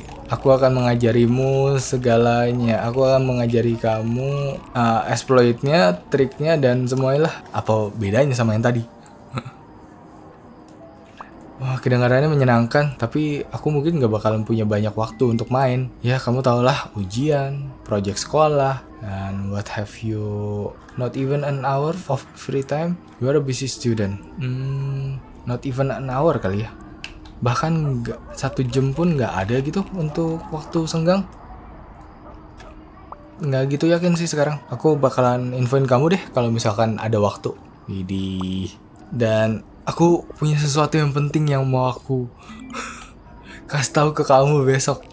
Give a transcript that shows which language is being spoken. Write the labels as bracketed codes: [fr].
[id] Aku akan mengajarimu segalanya. Aku akan mengajari kamu exploit-nya, trik-nya, dan semuanya lah. Apa bedanya sama yang tadi? Wah, kedengarannya menyenangkan, tapi aku mungkin gak bakalan punya banyak waktu untuk main. Ya, kamu tau lah, ujian, proyek sekolah, [en] and what have you, not even an hour of free time? You are a busy student. Not even an hour [id] kali ya. Bahkan gak, 1 jam pun gak ada gitu untuk waktu senggang. Gak gitu yakin sih sekarang. Aku bakalan infoin kamu deh kalau misalkan ada waktu. Widih. Dan aku punya sesuatu yang penting yang mau aku kasih tahu ke kamu besok.